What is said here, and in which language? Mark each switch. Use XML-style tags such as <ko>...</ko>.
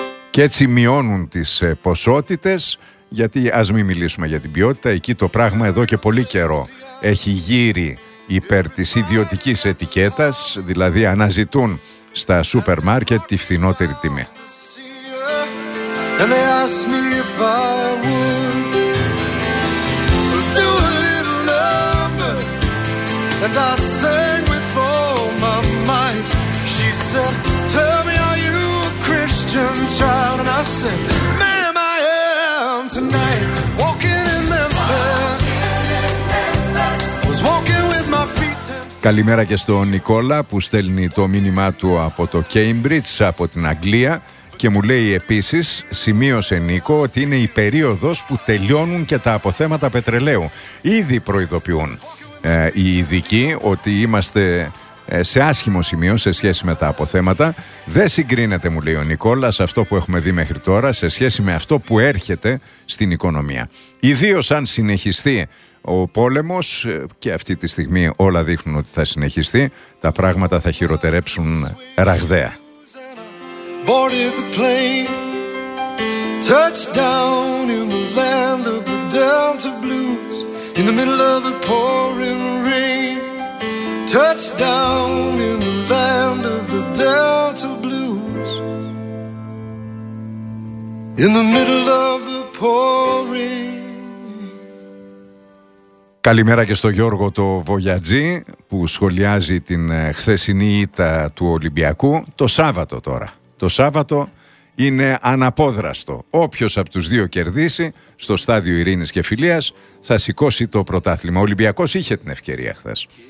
<el>Και έτσι μειώνουν τις ποσότητες, γιατί ας μην μιλήσουμε για την ποιότητα, εκεί το πράγμα εδώ και πολύ καιρό έχει γύρει υπέρ της ιδιωτικής ετικέτας, δηλαδή αναζητούν στα σούπερ μάρκετ τη φθηνότερη τιμή.</el> <en>And they asked me if I would do a little number, and I sang with all my might. She said, tell me, are you a Christian child? And I said, ma'am, I am. Tonight walking in Memphis, was walking with my feet.</en> <el>Καλημέρα και στον Νικόλα που στέλνει το μήνυμά του από το Cambridge, από την Αγγλία. Και μου λέει επίσης, σημείωσε Νίκο, ότι είναι η περίοδος που τελειώνουν και τα αποθέματα πετρελαίου. Ήδη προειδοποιούν οι ειδικοί ότι είμαστε σε άσχημο σημείο σε σχέση με τα αποθέματα. Δεν συγκρίνεται, μου λέει ο Νικόλα, σε αυτό που έχουμε δει μέχρι τώρα, σε σχέση με αυτό που έρχεται στην οικονομία. Ιδίως αν συνεχιστεί ο πόλεμος, και αυτή τη στιγμή όλα δείχνουν ότι θα συνεχιστεί, τα πράγματα θα χειροτερέψουν ραγδαία.</el> <en>Boarded the plane, touched down in the land of the Delta blues, in the middle of the pouring rain. Touchdown in the land of the Delta Blues. In the middle of the pouring.</en> <el>Καλημέρα και στο Γιώργο το Βογιατζή που σχολιάζει την χθεσινή ήττα του Ολυμπιακού. Το Σάββατο τώρα. Το Σάββατο είναι αναπόδραστο. Όποιος από τους δύο κερδίσει στο στάδιο Ειρήνης και Φιλίας θα σηκώσει το πρωτάθλημα. Ο Ολυμπιακός είχε την ευκαιρία χθες.</el>